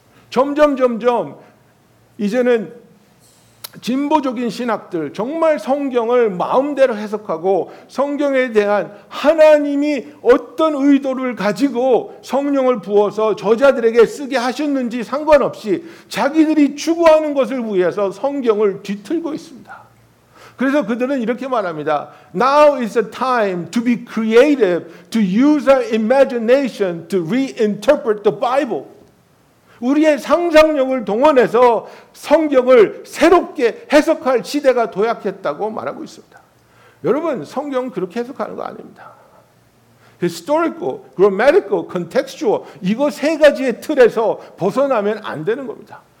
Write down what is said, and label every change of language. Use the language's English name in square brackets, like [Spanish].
[Korean] 점점 이제는 진보적인 신학들 정말 성경을 마음대로 해석하고 성경에 대한 하나님이 어떤 의도를 가지고 성령을 부어서 저자들에게 쓰게 하셨는지 상관없이 자기들이 추구하는 것을 위해서 성경을 뒤틀고 있습니다. 그래서 그들은 이렇게 말합니다. [English] Now is the time to be creative, to use our imagination to reinterpret the Bible. [Korean] 우리의 상상력을 동원해서 성경을 새롭게 해석할 시대가 도약했다고 말하고 있습니다. 여러분 성경 그렇게 해석하는 거 아닙니다. [English] Historical, grammatical, contextual [Korean] 이거 세 가지의 틀에서 벗어나면 안 되는 겁니다.